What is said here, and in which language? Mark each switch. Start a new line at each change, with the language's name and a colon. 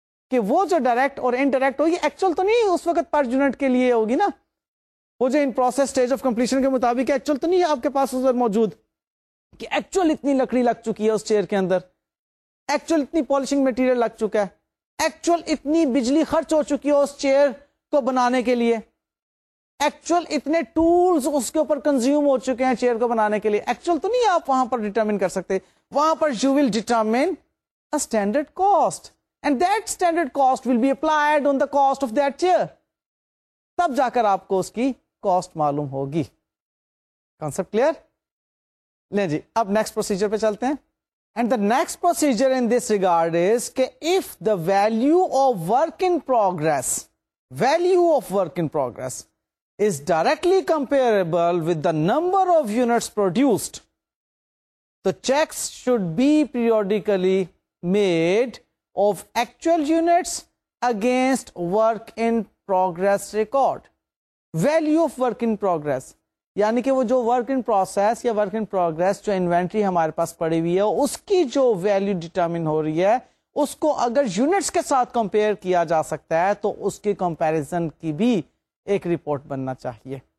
Urdu: کہ وہ جو ڈائریکٹ اور انڈائریکٹ ہوگی ایکچوئل تو نہیں اس وقت پر یونٹ کے لیے ہوگی نا, وہ جو in process stage of completion کے مطابق ایکچوئل تو نہیں ہے آپ کے پاس اس وقت موجود کہ ایکچوئل اتنی لکڑی لگ چکی ہے اس چیئر کے اندر, ایکچوئل اتنی پالشنگ مٹیریل لگ چکا ہے, ایکچوئل اتنی بجلی خرچ ہو چکی ہے اس چیئر کو بنانے کے لیے, ایکچوئل اتنے ٹولز اس کے اوپر کنزیوم ہو چکے ہیں چیئر کو بنانے کے لیے, ایکچوئل تو نہیں آپ وہاں پر ڈیٹرمن کر سکتے. وہاں پر
English: you will determine a standard cost, and that standard cost will be applied on the cost of that chair,
Urdu: تب جا کر آپ کو اس کی کاسٹ معلوم ہوگی. Concept clear? لیں جی اب نیکسٹ پروسیجر پہ چلتے ہیں. And the next procedure in this regard از کہ if
English: The value of work in progress, value of work in progress is directly comparable with the number of units produced, the checks should be periodically made of actual units against work in progress record. Value of work in progress,
Urdu: یعنی کہ وہ جو work in process یا work in progress جو inventory ہمارے پاس پڑی ہوئی ہے اس کی جو ویلو ڈیٹرمن ہو رہی ہے اس کو اگر یونٹس کے ساتھ کمپیئر کیا جا سکتا ہے تو اس کے کمپیرزن کی بھی ایک رپورٹ بننا چاہیے.